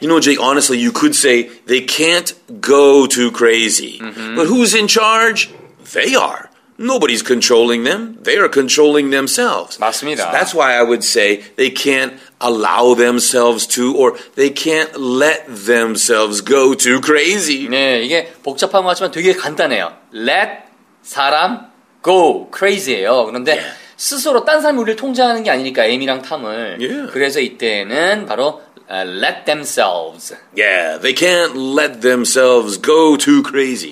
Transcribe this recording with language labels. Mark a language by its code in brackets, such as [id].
[en] You know, Jake, honestly, you could say they can't go too crazy. But who's in charge? They are. Nobody's controlling them. They are controlling themselves. [ko] 맞습니다. [en] So that's why I would say they can't allow themselves to or they can't let themselves go too crazy. [ko] 네, 이게 복잡한 것 같지만 되게 간단해요. Let 사람 go crazy예요. 그런데 yeah. 스스로 딴 사람이 우리를 통제하는 게 아니니까 에이미랑 탐을. [en] Yeah. [ko] 그래서 이때는 바로 let themselves. [en] Yeah, they can't let themselves go too crazy.